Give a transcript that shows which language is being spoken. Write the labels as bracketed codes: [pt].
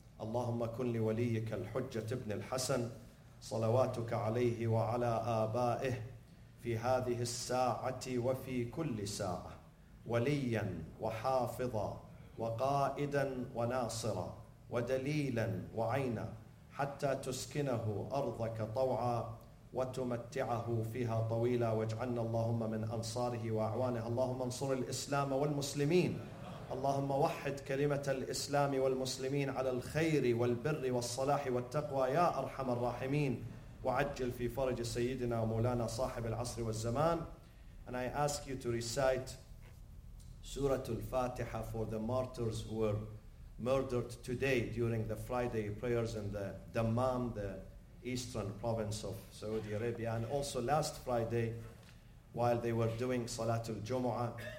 [ar] Allahumma kun li waliyika al-Hujjat ibn al-Hasan, salawatuka alayhi wa ala abaih, fi hadhihi al-sa'ati wa fi kulli sa'ah, waliyan wa hafidha, wa qaidan wa nasira, ودليلا وعينا حتى تسكنه أرضك طوعا وتمتعه فيها طويلا واجعلنا اللهم من أنصاره وأعوانه. اللهم انصر الإسلام والمسلمين. اللهم وحد كلمة الإسلام والمسلمين على الخير والبر والصلاح والتقوى يا أرحم الراحمين. وعجل في فرج سيدنا ومولانا صاحب العصر والزمان. [en] And I ask you to recite سورة الفاتحة for the martyrs who were murdered today during the Friday prayers in the Dammam, the eastern province of Saudi Arabia, and also last Friday while they were doing Salatul Jumu'ah.